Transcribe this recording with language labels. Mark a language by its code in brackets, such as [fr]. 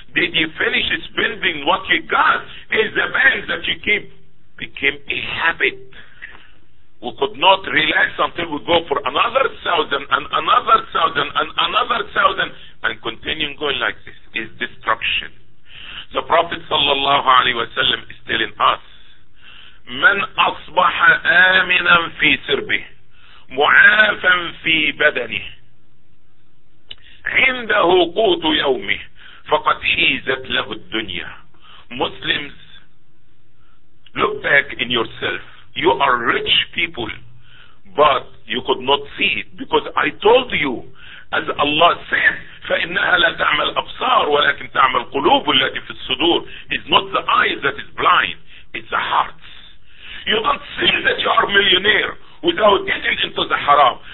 [en] Did you finish spending what you got? Is the bank that you keep became a habit? We could not relax until we go for another thousand and another thousand and another thousand and continue going like this is destruction. The Prophet sallallahu alaihi wasallam is telling us, [ar] من أصبح آمنا في سربه معافا في بدنه عنده قوت يومه فقد حيزت له الدنيا. [en] Muslims, look back in yourself. You are rich people, but you could not see it because I told you, as Allah said, [ar] فَإِنَّهَا لَا تَعْمَ الْأَبْصَارُ وَلَكِنْ تَعْمَ الْقُلُوبُ الَّتِي فِي الصُّدُورِ. [en] It's not the eyes that is blind, it's the hearts. You don't see that you are a millionaire without getting into the haram.